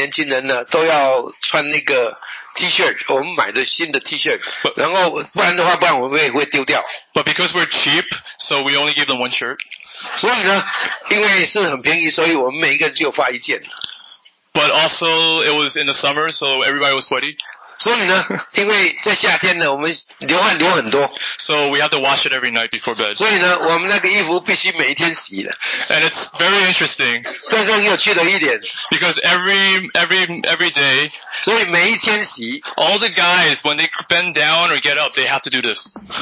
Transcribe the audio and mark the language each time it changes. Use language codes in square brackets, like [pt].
[zh] 所以呢，我们要求所有的年轻人呢都要穿那个 T-shirt, 我们买的新的 T-shirt, 然后不然的话，不然我们会丢掉。 [en] But because we're cheap, so we only give them one shirt. [zh] 所以呢，因为是很便宜，所以我们每一个人只有发一件。 [en] But also, it was in the summer, so everybody was sweaty. [zh] 所以呢，因为在夏天呢，我们流汗流很多。 [en] So we have to wash it every night before bed. [zh] 所以呢，我们那个衣服必须每一天洗的。 [en] And it's very interesting. [zh] 这是很有趣的一点。 [en] Because every day. [zh] 所以每一天洗。 [en] All the guys when they bend down or get up, they have to do this.